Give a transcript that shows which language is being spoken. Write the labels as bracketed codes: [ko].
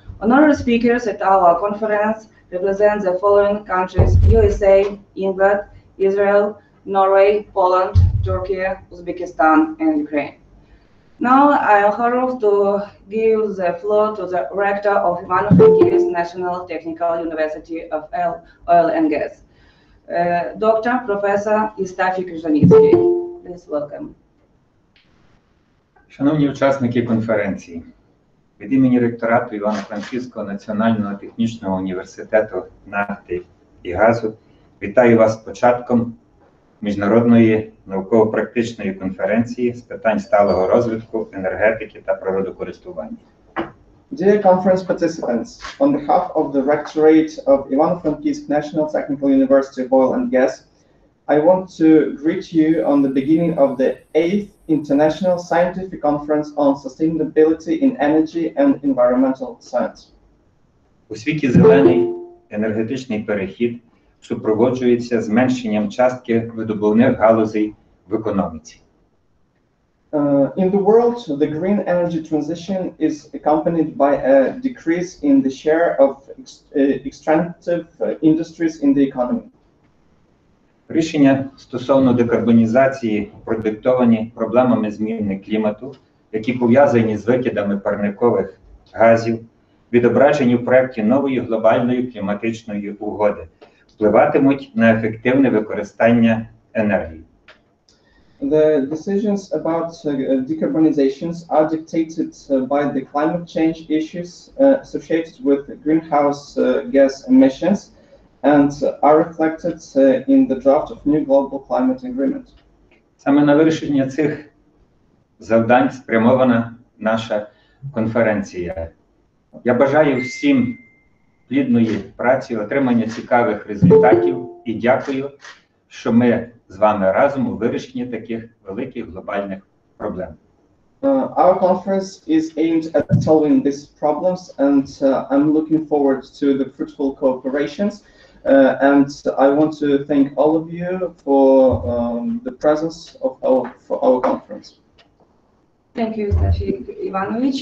[en] Honorary speakers at our conference represent the following countries: USA, England, Israel, Norway, Poland, Turkey, Uzbekistan, and Ukraine. Now I am honored to give the floor to the rector of Ivano-Frankivsk National Technical University of Oil and Gas, Dr. Professor Istafi Krizhanitsky. Please welcome. [uk] Шановні учасники конференції, від імені ректорату Івано-Франківського національного технічного університету нафти і газу вітаю вас з початком міжнародної науково-практичної конференції з питань сталого розвитку, енергетики та природокористування. [en] Dear conference participants, on behalf of the rectorate of Ivano-Frankivsk National Technical University of Oil and Gas, I want to greet you on the beginning of the 8th International Scientific Conference on Sustainability in Energy and Environmental Science. [uk] У світі зелений енергетичний перехід супроводжується зменшенням частки видобувних галузей в економіці. [en] In the world, the green energy transition is accompanied by a decrease in the share of extractive industries in the economy. [uk] Рішення стосовно декарбонізації продиктовані проблемами зміни клімату, які пов'язані з викидами парникових газів, відображені в проєкті нової глобальної кліматичної угоди, впливатимуть на ефективне використання енергії. [en] The decisions about decarbonization are dictated by the climate change issues associated with greenhouse gas emissions and are reflected in the draft of new global climate agreement. [uk] Саме на вирішення цих завдань спрямована наша конференція. Я бажаю всім плідної праці, отримання цікавих результатів і дякую, що ми з вами разом у вирішенні таких великих глобальних проблем. [en] Our conference is aimed at solving these problems and I'm looking forward to the fruitful cooperations. And I want to thank all of you for the presence of our conference. Thank you, Stasi Ivanovich.